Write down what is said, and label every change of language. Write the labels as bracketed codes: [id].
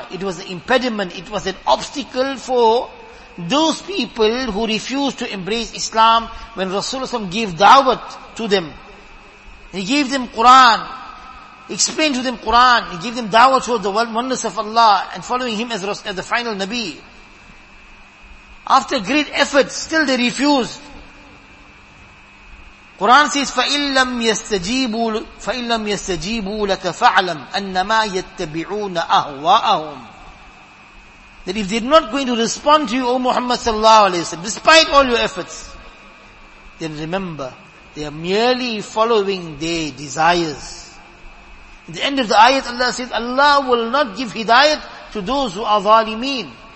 [en] It was an impediment. It was an obstacle for those people who refused to embrace Islam when Rasulullah gave da'wat to them. He gave them Quran. Explain to them Quran, give them da'wah towards the oneness of Allah and following Him as the final Nabi. After great effort, still they refused. Quran says, [ar] فَإِلَّمْ يَسْتَجِيبُوا لَكَ فَعْلَمْ أَنَّمَا يَتَّبِعُونَ أَهْوَاءَهُمْ. [en] That if they're not going to respond to you, O Muhammad sallallahu alayhi wa sallam, despite all your efforts, then remember, they are merely following their desires. At the end of the ayat, Allah says, Allah will not give hidayat to those who are zalimeen.